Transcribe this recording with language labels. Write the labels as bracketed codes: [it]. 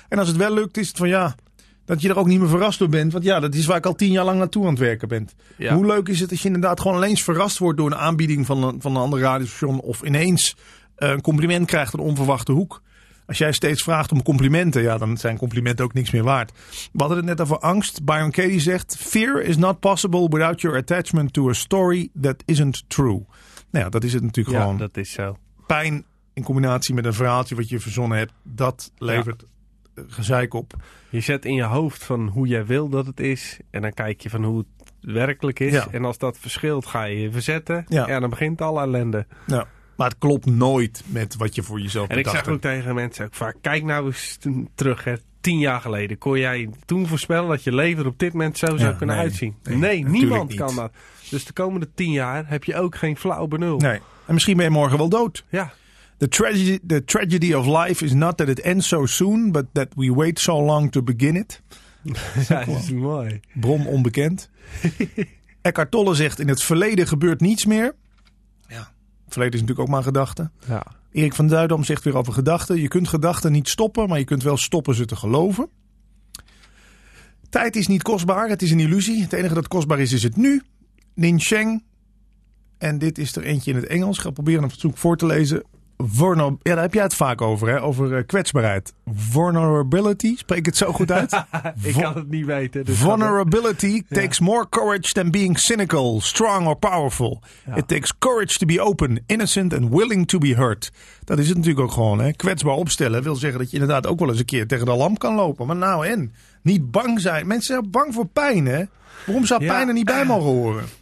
[nl] En als het wel lukt, is het van dat je er ook niet meer verrast door bent. Want dat is waar ik al 10 jaar lang naartoe aan het werken ben. Ja. Hoe leuk is het als je inderdaad gewoon alleen verrast wordt door een aanbieding van een ander radiostation of ineens een compliment krijgt een onverwachte hoek. Als jij steeds vraagt om complimenten, dan zijn complimenten ook niks meer waard. We hadden het net over angst. [en] Byron Katie [nl] zegt: [en] fear is not possible without your attachment to a story that isn't true. [nl] Nou ja, dat is het natuurlijk gewoon. Dat is zo. Pijn in combinatie met een verhaaltje wat je verzonnen hebt, dat levert gezeik op. Je zet in je hoofd van hoe jij wil dat het is, en dan kijk je van hoe het werkelijk is. Ja. En als dat verschilt, ga je je verzetten. Ja. En dan begint alle ellende. Ja. Maar het klopt nooit met wat je voor jezelf bedacht. En ik zeg ook tegen mensen ook vaak, kijk nou eens terug. Hè. 10 jaar geleden kon jij toen voorspellen dat je leven er op dit moment zo zou kunnen uitzien. Nee, niemand niet. Kan dat. Dus de komende 10 jaar heb je ook geen flauw benul. Nee. En misschien ben je morgen wel dood. Ja. [en] The tragedy of life is not that it ends so soon, but that we wait so long to begin it. [nl] Dat is mooi. Brom onbekend. Eckhart Tolle zegt, in het verleden gebeurt niets meer. Het verleden is natuurlijk ook maar een gedachte. Ja. Erik van Duidam zegt weer over gedachten. Je kunt gedachten niet stoppen, maar je kunt wel stoppen ze te geloven. Tijd is niet kostbaar, het is een illusie. Het enige dat kostbaar is, is het nu. Nin Sheng. En dit is er eentje in het Engels. Ik ga proberen een verzoek voor te lezen. Ja, daar heb jij het vaak over, hè? Over kwetsbaarheid. Vulnerability, spreek het zo goed uit? Ik kan het niet weten. Dus [en] vulnerability takes more courage than being cynical, strong or powerful. [nl] Ja. [en] It takes courage to be open, innocent and willing to be hurt. [nl] Dat is het natuurlijk ook gewoon, hè? Kwetsbaar opstellen wil zeggen dat je inderdaad ook wel eens een keer tegen de lamp kan lopen. Maar nou en? Niet bang zijn. Mensen zijn bang voor pijn, hè? Waarom zou pijn er niet bij mogen horen?